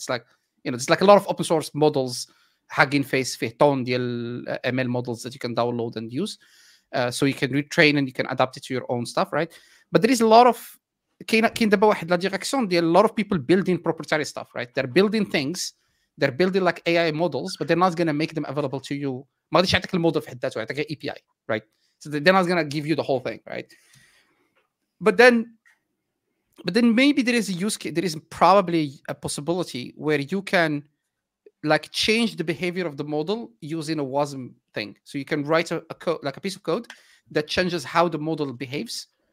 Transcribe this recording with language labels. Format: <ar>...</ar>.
<en>It's like, you know, there's like a lot of open source models Hugging Face</en> <ar>فيه تون ديال</ar> <en>ML models that you can download and use. So you can retrain and you can adapt it to your own stuff, right? But there is a lot of kind of</en> <ar>واحد لا ديريكسيون ديال</ar> <en>a lot of people building proprietary stuff, right? They're building things, they're building like AI models, but they're not going to make them available to you.</en> <ar>ما غاديش يعطيك المودل في حد ذاته, يعطيك API,</ar> <en>right? So they're not going to give you the whole thing, right? But then maybe there is a use case, there is probably a possibility where you can like change the behavior of the model using a WASM thing. So you can write a code, like a piece of code that changes how the model behaves.</en>